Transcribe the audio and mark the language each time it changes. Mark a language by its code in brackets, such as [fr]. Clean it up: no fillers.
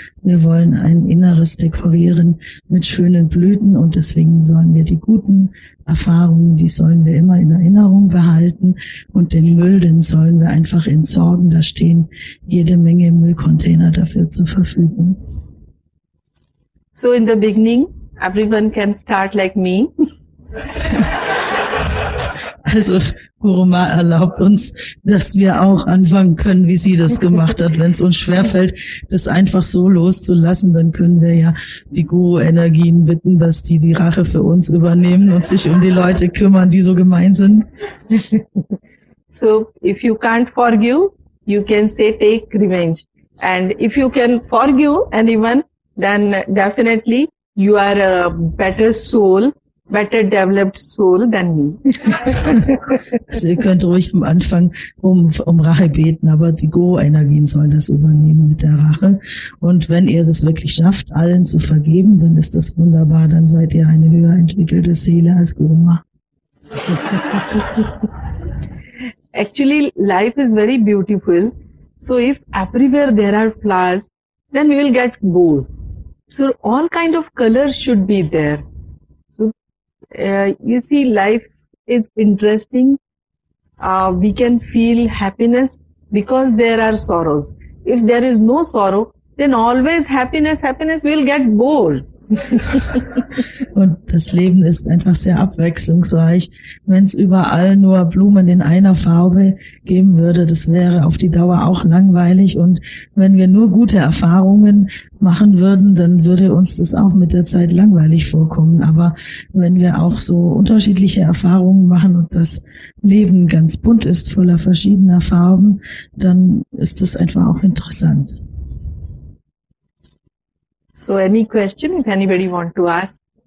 [de] Wir wollen ein Inneres dekorieren mit schönen Blüten und deswegen sollen wir die guten Erfahrungen, die sollen wir immer in Erinnerung behalten und den Müll, den sollen wir einfach entsorgen. Da stehen jede Menge Müllcontainer dafür zur Verfügung. [en] So in the beginning, everyone can start like me. [de] Also Guru Ma erlaubt uns, dass wir auch anfangen können, wie sie das gemacht hat. Wenn es uns schwerfällt, das einfach so loszulassen, dann können wir ja die Guru-Energien bitten, dass die Rache für uns übernehmen und sich um die Leute kümmern, die so gemein sind. [en] So, if you can't forgive, you can say take revenge. And if you can forgive anyone, then definitely you are a better soul, better developed soul than me. [de] Sie könnt ruhig am Anfang um Rache beten, aber die Go-Energien sollen das übernehmen mit der Rache. Und wenn ihr es wirklich schafft, allen zu vergeben, dann ist das wunderbar, dann seid ihr eine höher entwickelte Seele als Goma. [en] Actually, life is very beautiful. So if everywhere there are flowers, then we will get gold. So all kind of colors should be there. So you see, life is interesting. We can feel happiness because there are sorrows. If there is no sorrow, then always happiness, we will get bold. [de] Und das Leben ist einfach sehr abwechslungsreich. Wenn es überall nur Blumen in einer Farbe geben würde, das wäre auf die Dauer auch langweilig. Und wenn wir nur gute Erfahrungen machen würden, dann würde uns das auch mit der Zeit langweilig vorkommen. Aber wenn wir auch so unterschiedliche Erfahrungen machen und das Leben ganz bunt ist, voller verschiedener Farben, dann ist das einfach auch interessant. [en] So, any question, if anybody want to ask?